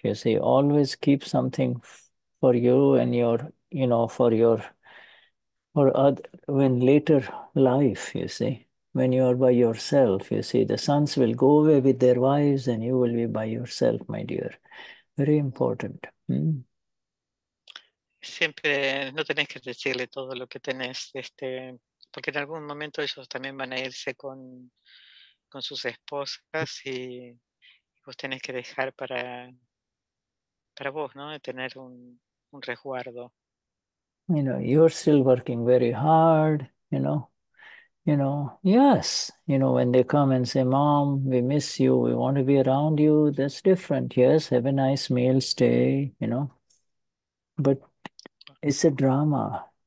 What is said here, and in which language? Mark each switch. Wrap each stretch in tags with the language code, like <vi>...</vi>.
<en>You see, always keep something for you and your, you know, for your, for other, when later life, you see, when you are by yourself, you see, the sons will go away with their wives and you will be by yourself, my dear. Very important.</en> <es>Siempre no tenés que decirle todo lo que tenés, porque en algún momento ellos también van a irse con sus esposas y vos tenés que dejar para vos, ¿no? De tener un resguardo.</es> <en>You know, you're still working very hard, you know, yes, you know, when they come and say, Mom, we miss you, we want to be around you, that's different. Yes, have a nice meal, stay, you know. But it's a drama.</en>